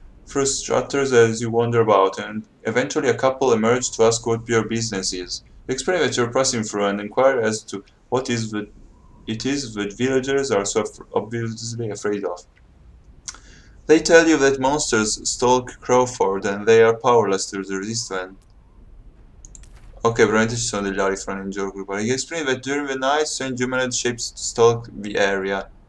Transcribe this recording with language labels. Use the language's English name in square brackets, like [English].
[English] frustrated as you wander about, and eventually a couple emerge to ask what your business is. They explain that you're passing through and inquire as to what is the it is that villagers are so obviously afraid of. They tell you that monsters stalk Crawford and they are powerless to resist them. [Italian] Okay, veramente ci sono degli alieni in gioco. Gli esprime [English] that during the night, strange humanoid shapes stalk the area.